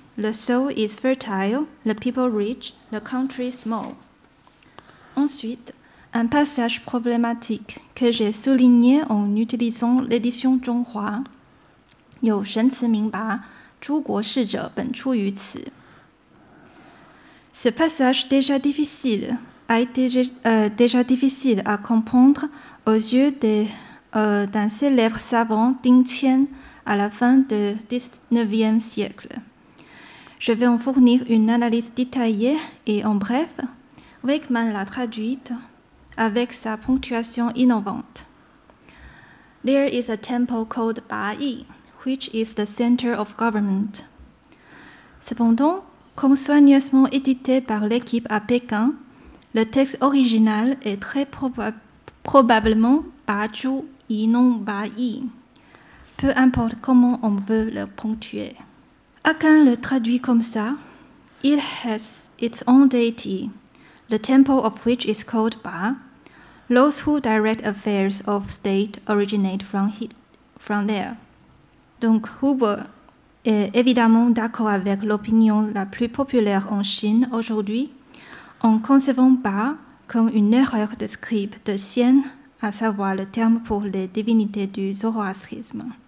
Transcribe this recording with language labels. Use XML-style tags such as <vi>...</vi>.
<en>The soil is fertile, the people rich, the country small.</en> <fr>Ensuite, un passage problématique que j'ai souligné en utilisant l'édition Zhonghua.</fr> <zh>Yo shen ci ming ba, zhu guo shi zhe ben chu yu ci.</zh> <fr>Ce passage déjà difficile a été déjà difficile à comprendre aux yeux d'un célèbre savant Ding Qian à la fin du XIXe siècle. Je vais en fournir une analyse détaillée et en bref, Wakeman l'a traduite avec sa ponctuation innovante.</fr> <en>There is a temple called Ba Yi, which is the center of government.</en> <fr>Cependant, comme soigneusement édité par l'équipe à Pékin, le texte original est très probablement Ba Zhu et non Ba Yi. peu importe comment on veut le ponctuer. Akan le traduit comme ça.</fr> <en>It has its own deity, the temple of which is called Ba. Those who direct affairs of state originate from there.</en> <fr>Donc Huber est évidemment d'accord avec l'opinion la plus populaire en Chine aujourd'hui, en concevant Ba comme une erreur de scribe de Xian, à savoir le terme pour les divinités du zoroastrisme.</fr>